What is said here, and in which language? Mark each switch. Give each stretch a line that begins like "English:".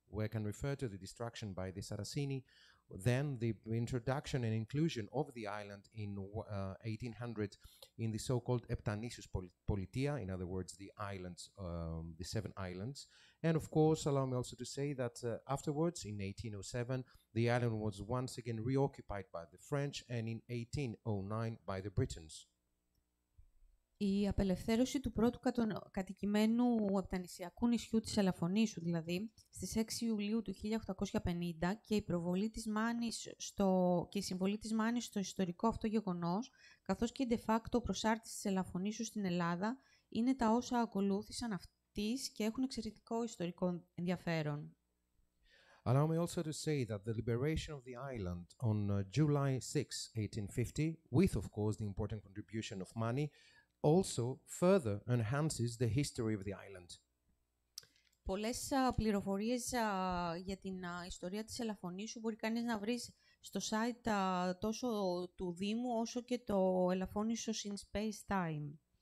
English: We can refer to the destruction by the Saraceni, then the introduction and inclusion of the island in 1800 in the so-called Eptanisios Politia, in other words, the islands, the seven islands. And of course, allow me also to say that afterwards, in 1807, the island was once again reoccupied by the French and in 1809 by the Britons.
Greek: Η απελευθέρωση του πρώτου κατοικημένου επτανησιακού νησιού της Ελαφωνήσου, δηλαδή, στις 6 Ιουλίου του 1850 και η προβολή της Μάνης και η συμβολή της Μάνης στο ιστορικό αυτό γεγονός, καθώς και de facto προσάρτηση της Ελαφωνήσου στην Ελλάδα, είναι τα όσα ακολούθησαν αυτής και έχουν εξαιρετικό ιστορικό ενδιαφέρον.
English: Allow me also to say that the liberation of the island on July 6, 1850, with of course the important contribution of Mani, also further enhances the history of the island.
Greek: Πολλές πληροφορίες για την ιστορία της Ελαφωνήσου μπορεί κανείς να βρει στο site τόσο του Δήμου όσο και το Ελαφώνησος in Space Time.